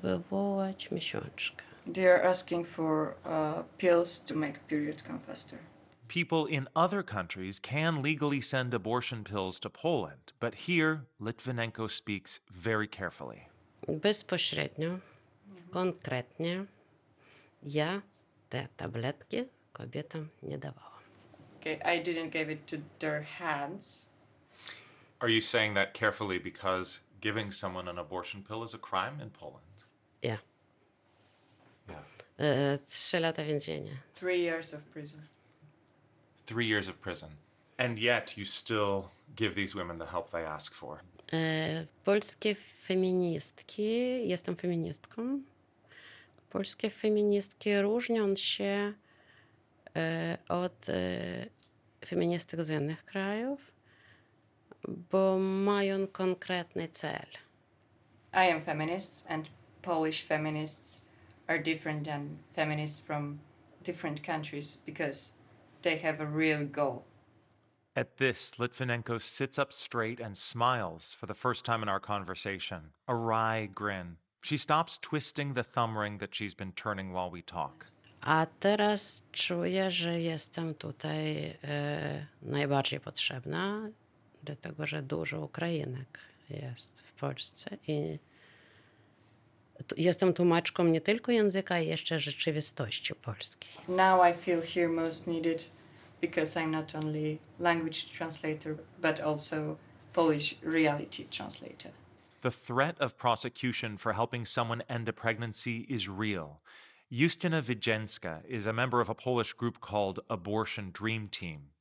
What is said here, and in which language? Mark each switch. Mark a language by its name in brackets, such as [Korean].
[English] They are asking for pills to make period come faster. People in other countries can legally send abortion pills to Poland, but here, Litvinenko speaks very carefully. [Ukrainian] Безпосередньо, конкретно, я те таблетки кобітам не давала. [English] Okay, I didn't give it to their hands. Are you saying that carefully because giving someone an abortion pill is a crime in Poland. Yeah. Yeah. [Polish] 3 lata więzienia. [English] 3 years of prison. 3 years of prison. And yet you still give these women the help they ask for. [Polish] Polskie feministki, jestem feministką. Polskie feministki różnią się od feministek z innych krajów, bo mają konkretny cel. [English] I am feminist, and Polish feminists are different than feminists from different countries because they have a real goal. At this, Litvinenko sits up straight and smiles for the first time in our conversation, a wry grin. She stops twisting the thumb ring that she's been turning while we talk. [Polish] A teraz czuję, że jestem tutaj najbardziej potrzebna, dlatego że dużo Ukrainek jest w Polsce i jestem tłumaczką nie tylko języka, ale jeszcze rzeczywistości polskiej. [English] Now I feel here most needed because I'm not only language translator, but also Polish reality translator. The threat of prosecution for helping someone end a pregnancy is real. Justyna Wyjenska is a member of a Polish group called Abortion Dream Team.